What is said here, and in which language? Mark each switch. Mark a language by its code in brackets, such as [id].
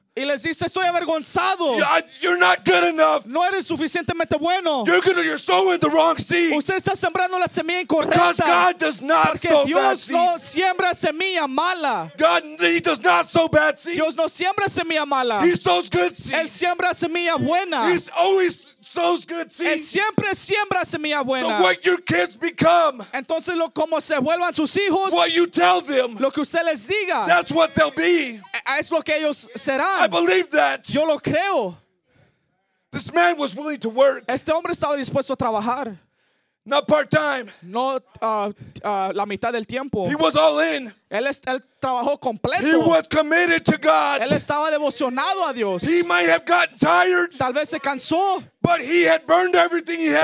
[es] Y les dice, estoy avergonzado. [en] You're not good enough. [es] No eres suficientemente bueno. [en] You're sowing the wrong seed. [es] Usted está sembrando la semilla incorrecta. [en] Because God does not [es] porque [en] sow [es] Dios [en] bad [es] no [en] seed. [es] Siembra semilla mala. [en] God, he does not sow bad seed. [es] Dios no siembra semilla mala. [en] He sows good seed. [es] Él siembra semilla buena. [en] He's always sows good seed. [es] Él siempre siembra semilla buena. [en] So what your kids become. [es] Entonces lo como se vuelvan sus hijos. [en] What you tell them. [es] Lo que usted les diga. [en] That's what they'll be. [es] Es lo que ellos serán. [en] I believe that. [es] Yo lo creo. [en] This man was willing to work. [es] Este hombre estaba dispuesto a trabajar. [en] Not part-time. [es] No la mitad del tiempo. [en] He was all in. [es] Él trabajó completo. [en] He was committed to God. [es] Él estaba devocionado a Dios. [en] He might have gotten tired. [es] Tal vez se cansó. [en] But he had burned everything he had.